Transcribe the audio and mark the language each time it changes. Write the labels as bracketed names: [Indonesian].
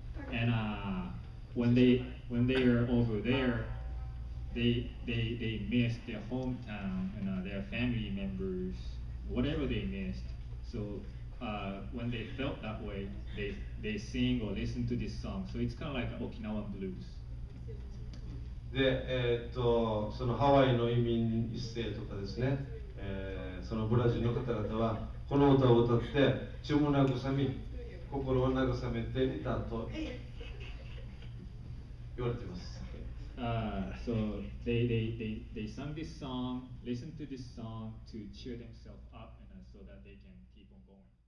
[English] And when they are over there, they missed their hometown and their family members, whatever they missed. So when they felt that way, they sing or listen to this song. So it's kind of like an Okinawan blues. [Japanese] で、そのハワイの移民一世とかですね、そのブラジルの方々はこの歌を歌って血も慰み、心を慰めていたと言われています。 [English] So they sang this song, listen to this song to cheer themselves up and so that they can keep on going.